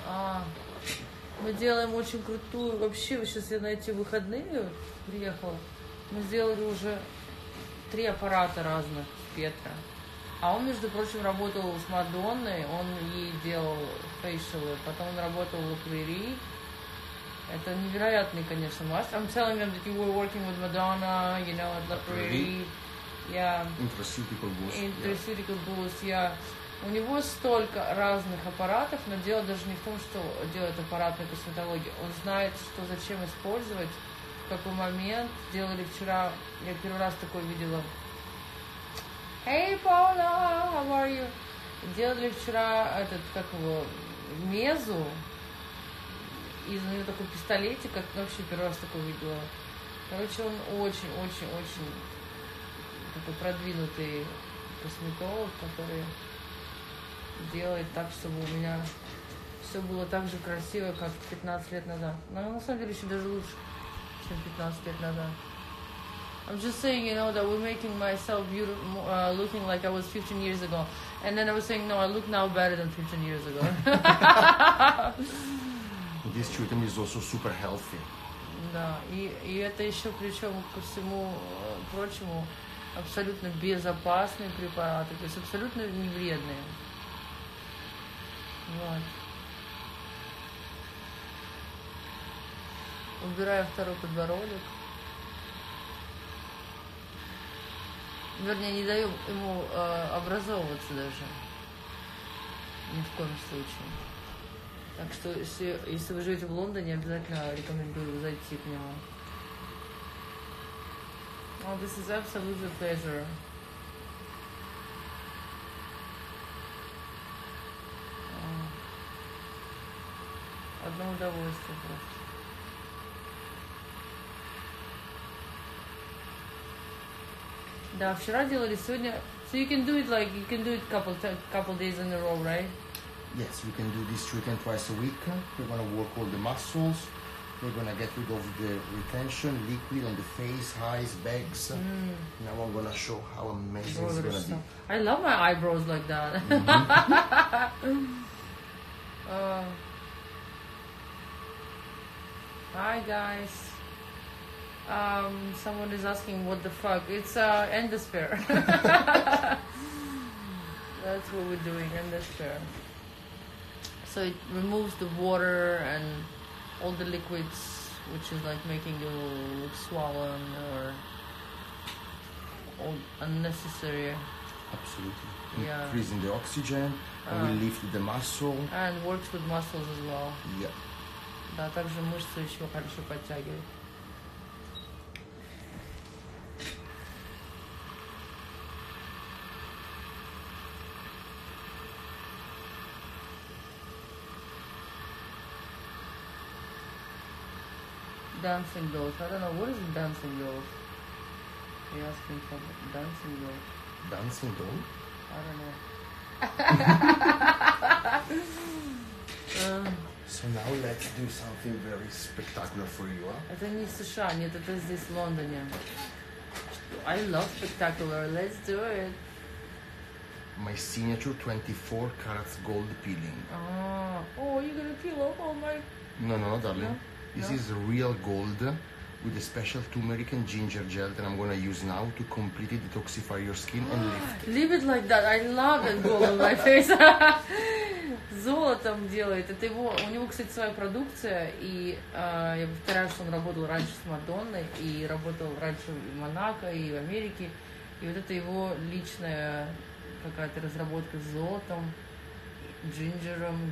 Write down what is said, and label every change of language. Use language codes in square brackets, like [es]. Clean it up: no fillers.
[ru] А, мы делаем очень крутую. Вообще, сейчас я на эти выходные приехала. Мы сделали уже 3 аппарата разных Петра. А он, между прочим, работал с Мадонной. Он ей делал фейшелы. Потом он работал в Лаквери. Это невероятный, конечно, мастер. [en] I'm telling them that you were working with Madonna, you know, at Lapri. Yeah. Intraceutical boost, yeah. [ru] У него столько разных аппаратов, но дело даже не в том, что делает аппаратную косметологию. Он знает, что зачем использовать, в какой момент. Делали вчера, я первый раз такое видела. [en] Hey, Paula, how are you? [ru] Делали вчера этот, как его, мезу. И у него такой пистолетик, как вообще первый раз такое видела. Короче, он очень-очень-очень такой продвинутый косметолог, который делает так, чтобы у меня все было так же красиво, как 15 лет назад. Но на самом деле еще даже лучше, чем 15 лет назад. [en] I'm just saying, you know, that we're making myself beautiful, looking like I was 15 years ago. And then I was saying, no, I look now better than 15 years ago. [ru] Действительно, [en] he's also super healthy. [ru] Да, и это еще причем ко всему прочему абсолютно безопасные препараты, то есть абсолютно не вредные. Вот. Убираю второй подбородок. Вернее, не даю ему образовываться даже. Ни в коем случае. Так что, если вы живете в Лондоне, обязательно рекомендую зайти к нему. [en] Oh, this is absolutely a pleasure. [ru] Одно удовольствие просто. Да, вчера делали, сегодня... [en] So you can do it like, you can do it couple days in a row, right? Yes, we can do this treatment twice a week. We're gonna work all the muscles. We're gonna get rid of the retention, liquid on the face, eyes, bags. Mm. Now I'm gonna show how amazing it's gonna be. I love my eyebrows like that. Mm-hmm. hi guys. Someone is asking what the fuck. It's endosphere. That's what we're doing, endosphere. So it removes the water and all the liquids, which is like making you look swollen or unnecessary. Absolutely. Yeah. Increasing the oxygen, and we lift the muscle. And works with muscles as well. Yeah. [ru] Да, также мышцы еще хорошо подтягивает. [en] Dancing dolls. I don't know what is a dancing dolls. Are you asking for dancing dolls? Dancing doll? I don't know. So now let's do something very spectacular for you. [ru] Это не США, нет, это здесь в Лондоне. [en] I love spectacular. Let's do it. My signature 24 carats gold peeling. Oh, you're gonna peel off all my. No, darling. No? This is real gold with a special turmeric and ginger gel that I'm gonna use now to completely detoxify your skin and lift. Leave it like that. I love that gold on my face. [ru] золотом делает. Это его, у него, кстати, своя продукция. И я повторяю, что он работал раньше с Мадонной и работал раньше в Монако и в Америке. И вот это его личная какая-то разработка с золотом, джинджером.